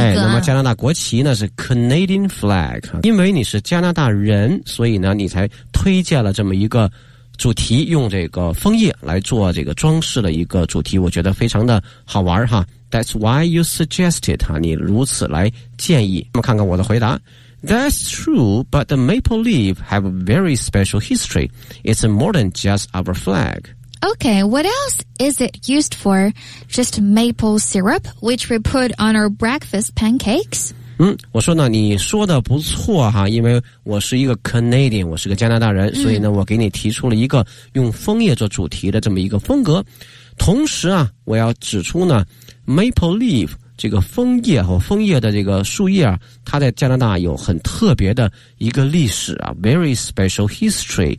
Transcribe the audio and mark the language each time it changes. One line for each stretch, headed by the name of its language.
Chinese: 那么加拿大国旗呢是 Canadian flag， 因为你是加拿大人，所以呢你才推荐了这么一个主题，用这个枫叶来做这个装饰的一个主题，我觉得非常的好玩哈。
English: That's why you suggested
Chinese: 哈，你如此来建议。那么看看我的回答。
English: That's true, but the maple leaf have a very special history. It's more than just our flag. Okay, what else is it used for? Just maple syrup, which we put on our breakfast pancakes?
Chinese: 我说呢，你说的不错哈，因为我是一个 Canadian， 我是个加拿大人，所以呢，我给你提出了一个用枫叶做主题的这么一个风格。同时啊，我要指出呢 ，maple leaf。这个枫叶和枫叶的这个树叶，它在加拿大有很特别的一个历史啊 ，
English: very special history。